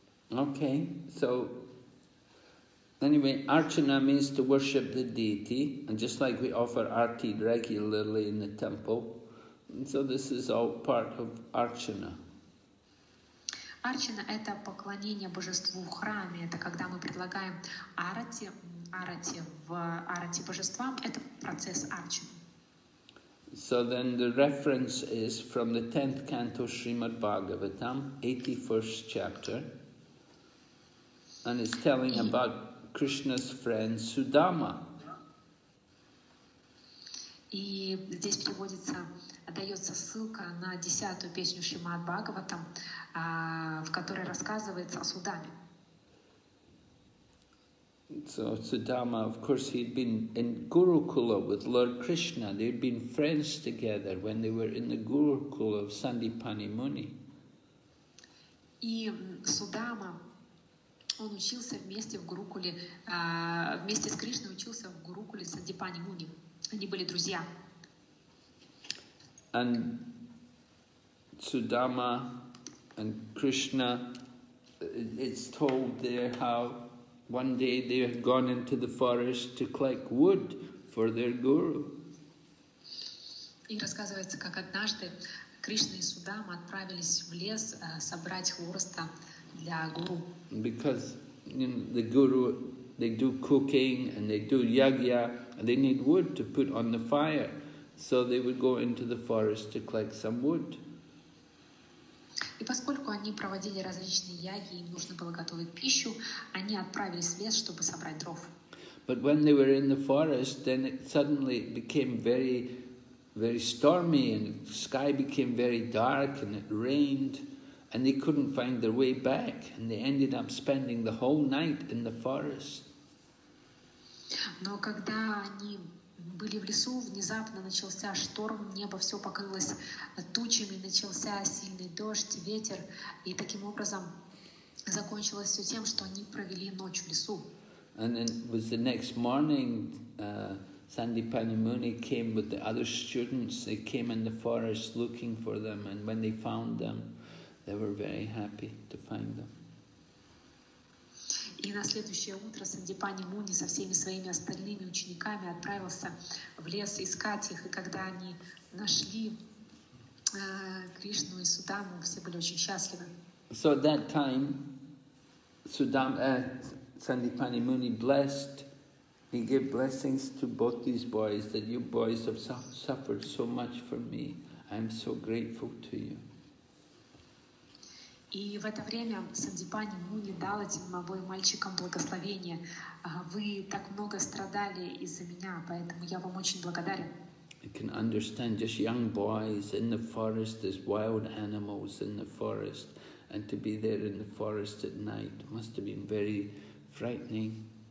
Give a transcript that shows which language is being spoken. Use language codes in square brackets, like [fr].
[en] Okay, so anyway, Archana means to worship the deity, and just like we offer arti regularly in the temple, so this is all part of Archana. [ru] Archana – это поклонение божеству в храме. Это когда мы предлагаем арати божествам. Это процесс Archana. [en] So then the reference is from the 10th canto Srimad Bhagavatam, 81st chapter. And it's telling about Krishna's friend Sudama. [ru] И здесь приводится, дается ссылка на 10-ю песню Шримад Бхагаватам, в которой рассказывается о Судаме. [en] So Sudama, of course, he'd been in Gurukula with Lord Krishna. They'd been friends together when they were in the Gurukula of Sandipani Muni. [ru] И Судама, он учился вместе в Гурукуле, вместе с Кришной учился в Гурукуле с Сандипани Муни. Они были друзья. [en] And Sudama and Krishna, it's told there how one day they had gone into the forest to collect wood for their guru. [ru] И рассказывается, как однажды Кришна и Судама отправились в лес собрать хвороста для гуру. [en] Because you know, the guru, they do cooking and they do yagya, and they need wood to put on the fire. So they would go into the forest to collect some wood. [ru] И поскольку они проводили различные яги, им нужно было готовить пищу, они отправились в лес, чтобы собрать дров. [en] But when they were in the forest, then it suddenly became very, very stormy, and the sky became very dark, and it rained, and they couldn't find their way back, and they ended up spending the whole night in the forest. [ru] Но когда они были в лесу, внезапно начался шторм, небо все покрылось тучами, начался сильный дождь, ветер, и таким образом закончилось все тем, что они провели ночь в лесу. [en] And then was the next morning, Sandipani Muni came with the other students. They came in the forest looking for them, and when they found them, they were very happy to find them. [ru] И на следующее утро Сандипани Муни со всеми своими остальными учениками отправился в лес искать их. И когда они нашли Кришну и Судаму, все были очень счастливы. [en] So at that time, Сандипани Муни blessed, he gave blessings to both these boys, that you boys have suffered so much for me. I'm so grateful to you. [ru] И в это время Сандипани Муни дал этим обоим мальчикам благословение. Вы так много страдали из-за меня, поэтому я вам очень благодарен. [en] You can understand, just young boys in the forest, there's wild animals in the forest, and to be there in the forest at night must have been very frightening.